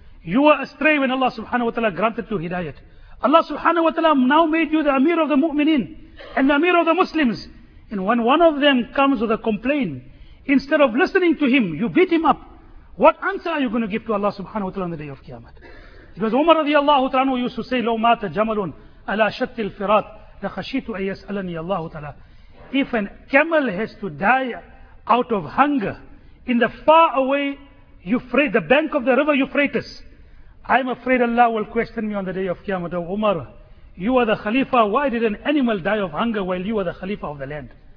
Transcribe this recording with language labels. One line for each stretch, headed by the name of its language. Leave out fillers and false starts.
English: You were astray when Allah subhanahu wa ta'ala granted you hidayat. Allah subhanahu wa ta'ala now made you the Amir of the Mu'minin and the Amir of the Muslims. And when one of them comes with a complaint, instead of listening to him, you beat him up. What answer are you going to give to Allah subhanahu wa ta'ala on the day of Qiyamah? Because Umar radiallahu ta'ala anhu used to say,
Arabic: لو مات جمل على شط الفرات لخشيت أن يسألني الله تعالى.
English: If a camel has to die out of hunger in the far away Euphrates, the bank of the river Euphrates, I'm afraid Allah will question me on the day of Qiyamah. Oh Umar, you are the Khalifa. Why did an animal die of hunger while you are the Khalifa of the land?